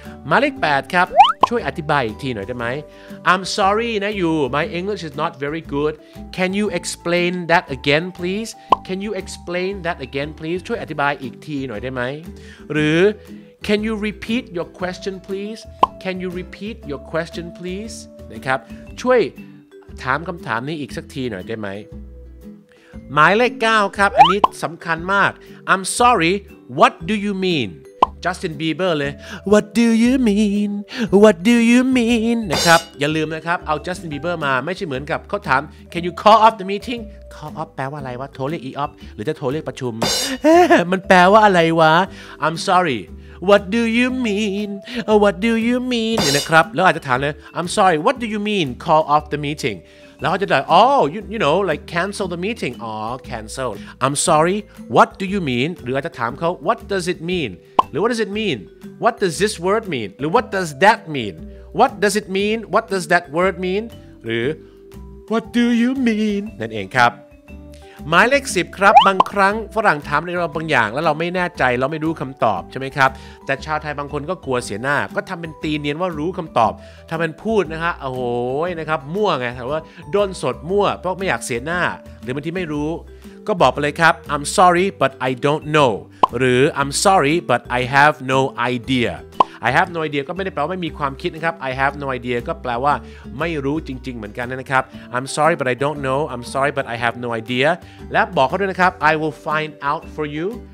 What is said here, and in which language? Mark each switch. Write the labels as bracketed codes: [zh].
[th] มาเลข8ครับช่วยอธิบายอีกทีหน่อยได้ไหม [en] I'm sorry [th] นะยู [en] My English is not very good. Can you explain that again, please? Can you explain that again, please? [th] ช่วยอธิบายอีกทีหน่อยได้ไหมหรือ [en] Can you repeat your question, please? Can you repeat your question, please? [th] นะครับช่วยถามคำถามนี้อีกสักทีหน่อยได้ไหมหมายเลข9ครับอันนี้สำคัญมาก [en] I'm sorry what do you mean [th] Justin Bieber เลย [en] What do you mean [th] What do you mean นะครับอย่าลืมนะครับเอา Justin Bieber มาไม่ใช่เหมือนกับเขาถาม [en] Can you call off the meeting [th] call off แปลว่าอะไรวะโทรเรียก off หรือจะโทรเรียกประชุม มันแปลว่าอะไรวะ [en] I'm sorryWhat do you mean? [th] What do you mean? เนี่ยนะครับแล้วอาจจะถามเลย [en] I'm sorry. What do you mean? Call off the meeting. [th] แล้วเขาจะได้ [en] Oh, you know, like cancel the meeting. Oh, cancel. I'm sorry. What do you mean? [th] หรืออาจจะถามเขา [en] What does it mean? หรือ What does it mean? What does this word mean? หรือ What does that mean? What does it mean? What does that word mean? หรือ What do you mean? [th] นั่นเองครับหมายเลข10ครับบางครั้งฝรั่งถามเราบางอย่างแล้วเราไม่แน่ใจเราไม่รู้คำตอบใช่ไหมครับแต่ชาวไทยบางคนก็กลัวเสียหน้าก็ทำเป็นตีเนียนว่ารู้คำตอบทำเป็นพูดนะครับโอ้โห นะครับมั่วไงถามว่าด้นสดมั่วเพราะไม่อยากเสียหน้าหรือบางทีไม่รู้ก็บอกไปเลยครับ [en] I'm sorry but I don't know [th] หรือ [en] I'm sorry but I have no ideaI have [th] no idea ก็ไม่ได้แปลว่าไม่มีความคิดนะครับ [en] I have no idea [th] ก็แปลว่าไม่รู้จริงๆเหมือนกันนะครับ [en] I'm sorry but I don't know I'm sorry but I have no idea [th] และบอกเขาด้วยนะครับ [en] I will find out for you